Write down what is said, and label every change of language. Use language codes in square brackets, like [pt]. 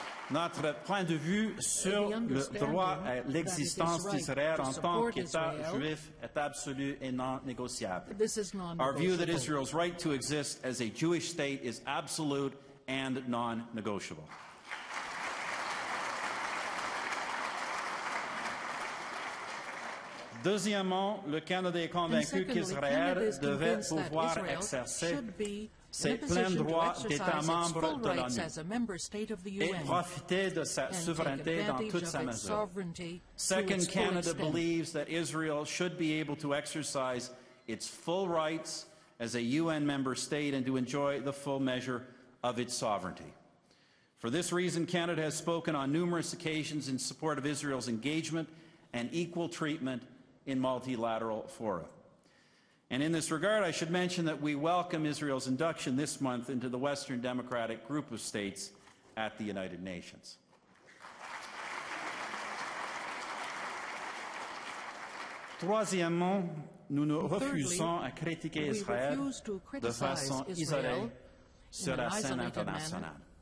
[fr] Notre point de vue sur le droit à l'existence d'Israël en tant qu'État juif est absolu et non négociable. [en] Our view that Israel's right to exist as a Jewish state is absolute and non-negotiable. [fr] Deuxièmement, le Canada est convaincu qu'Israël devait pouvoir exercer ses pleins droits d'État membre de l'ONU et profiter de sa souveraineté dans toute sa mesure. [en] Second, Canada believes that Israel should be able to exercise its full rights as a UN member state and to enjoy the full measure of its sovereignty. For this reason, Canada has spoken on numerous occasions in support of Israel's engagement and equal treatment in multilateral fora. And in this regard, I should mention that we welcome Israel's induction this month into the Western Democratic Group of States at the United Nations. [fr] Troisièmement, nous nous refusons à critiquer Israël de façon isolée sur la scène internationale.